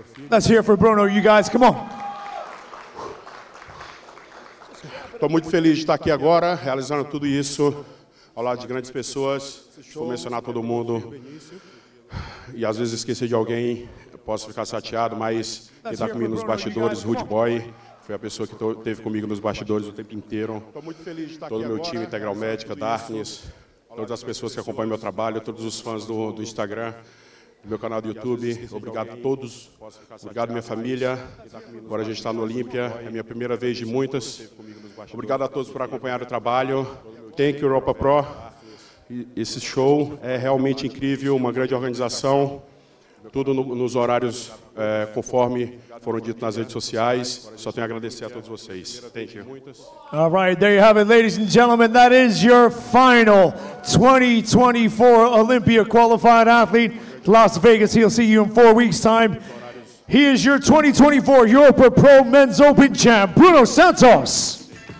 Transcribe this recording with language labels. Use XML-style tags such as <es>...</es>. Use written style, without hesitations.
<en>Let's hear for Bruno, you guys, come on.</en> <pt>Estou muito feliz de estar aqui agora, realizando tudo isso ao lado de grandes pessoas. Vou mencionar todo mundo. E às vezes esquecer de alguém, posso ficar chateado, mas ele está comigo nos bastidores, Rude Boy. Foi a pessoa que esteve comigo nos bastidores o tempo inteiro. Estou muito feliz de estar todo aqui meu agora, time, Integral Médica, Darkness, todas as pessoas que acompanham meu trabalho, todos os fãs do Instagram, do meu canal do YouTube. Obrigado a todos. Obrigado, minha família. Agora a gente está no Olympia. É a minha primeira vez de muitas. Obrigado a todos por acompanhar o trabalho.</pt> <en>Thank you, Europa Pro.</en> <pt>Esse show é realmente incrível, uma grande organização. Tudo nos horários, conforme foram dito nas redes sociais. Só tenho a agradecer a todos vocês.</pt> <en>Thank you. All right, there you have it, ladies and gentlemen. That is your final 2024 Olympia qualified athlete. Las Vegas, he'll see you in 4 weeks' time. He is your 2024 Europa Pro Men's Open Champ, Bruno Santos.</en>